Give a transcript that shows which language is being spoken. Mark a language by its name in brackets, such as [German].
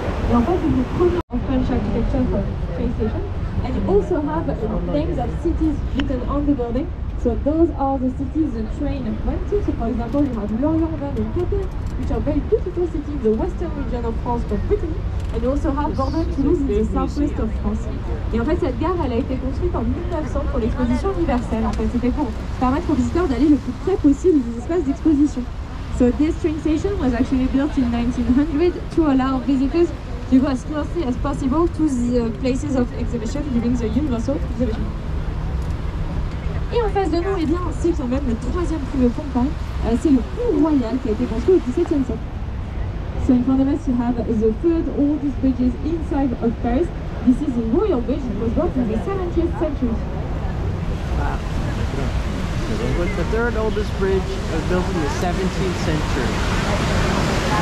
[English] And it's the premier of French architecture for train station. And you also have names of cities written on the building. So those are the cities the train went to. So for example, you have Lorient, Verdun, and Quatre, which are very beautiful cities in the western region of France called Brittany. And you also have Bordeaux, Toulouse in the southwest of France. [French] Et en fait, cette gare, elle a été construite en 1900 pour l'exposition universelle. En fait, c'était pour permettre aux visiteurs d'aller le plus près possible des espaces d'exposition. [English] So this train station was actually built in 1900 to allow visitors to go as closely as possible to the places of exhibition during the Universal Exhibition. [French] Et en face de nous, eh bien, c'est quand même le troisième plus le pont de Paris. C'est le pont royal qui a été construit au XVIIe siècle. [English] So in front of us, you have the third oldest bridges inside of Paris. This is the Royal Bridge, it was built in the 17th century. Wow. The third oldest bridge was built in the 17th century.